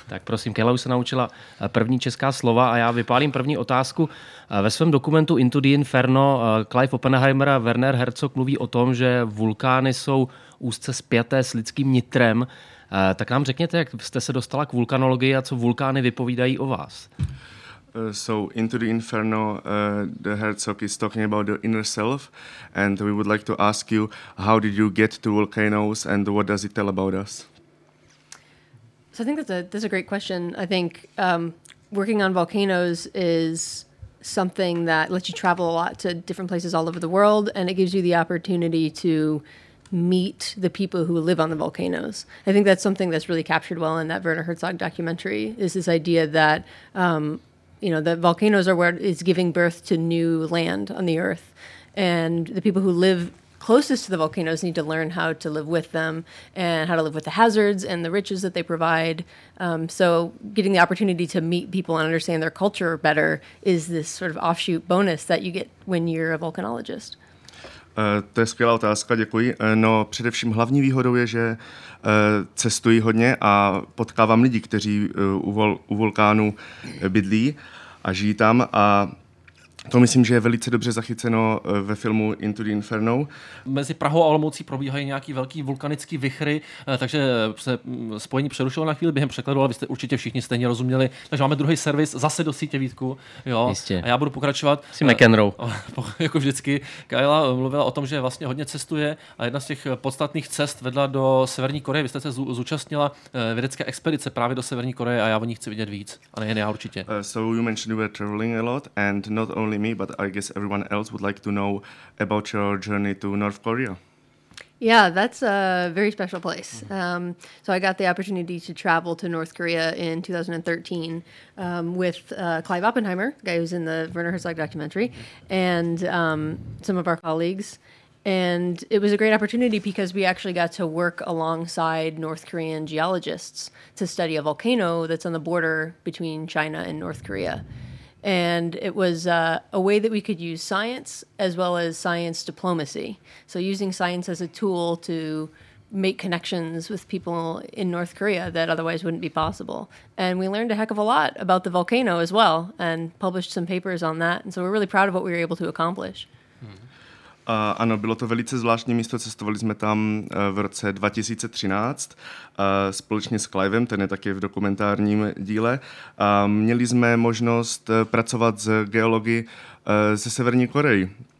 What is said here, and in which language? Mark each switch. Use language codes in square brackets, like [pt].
[cs] Tak prosím, Kayla už se naučila první česká slova a já vypálím první otázku. Ve svém dokumentu Into the Inferno Clive Oppenheimer a Werner Herzog mluví o tom, že vulkány jsou úzce spjaté s lidským nitrem. Tak nám řekněte, jak jste se dostala k vulkanologii a co vulkány vypovídají o vás? [en] So Into the Inferno, the Herzog is talking about the inner self, and we would like to ask you, how did you get to volcanoes and what does it tell about us? So I think that's a great question. I think working on volcanoes is something that lets you travel a lot to different places all over the world, and it gives you the opportunity to meet the people who live on the volcanoes. I think that's something that's really captured well in that Werner Herzog documentary, is this idea that that volcanoes are where it's giving birth to new land on the earth, and the people who live closest to the volcanoes need to learn how to live with them and how to live with the hazards and the riches that they provide. So getting the opportunity to meet people and understand their culture better is this sort of offshoot bonus that you get when you're a volcanologist. [cs] To je skvělá otázka, děkuji. No především hlavní výhodou je, že cestuji hodně a potkávám lidi, kteří u vulkánu bydlí a žijí tam. A to myslím, že je velice dobře zachyceno ve filmu Into the Inferno. Mezi Prahou a Olomoucí probíhají nějaký velký vulkanický vichry, takže se spojení přerušilo na chvíli během překladu, ale vy jste určitě všichni stejně rozuměli. Takže máme druhý servis zase do sítě, Vítku. Jo. Jistě. A já budu pokračovat. Jsi McEnroe. Jako vždycky. Kayla mluvila o tom, že vlastně hodně cestuje a jedna z těch podstatných cest vedla do Severní Koreje. Vy jste se zúčastnila vědecké expedice právě do Severní Koreje a já o ní chci vidět víc. A nejen já určitě. [en] So you mentioned you were traveling a lot and not only me, but I guess everyone else would like to know about your journey to North Korea. Yeah, that's a very special place. Mm-hmm. So I got the opportunity to travel to North Korea in 2013 with Clive Oppenheimer, the guy who's in the Werner Herzog documentary, and some of our colleagues. And it was a great opportunity because we actually got to work alongside North Korean geologists to study a volcano that's on the border between China and North Korea. And it was a way that we could use science as well as science diplomacy. So using science as a tool to make connections with people in North Korea that otherwise wouldn't be possible. And we learned a heck of a lot about the volcano as well and published some papers on that. And so we're really proud of what we were able to accomplish. [cs] Ano, bylo to velice zvláštní místo, cestovali jsme tam v roce 2013 společně s Clivem, ten je taky v dokumentárním díle. Měli jsme možnost pracovat s geology ze Severní Koreji.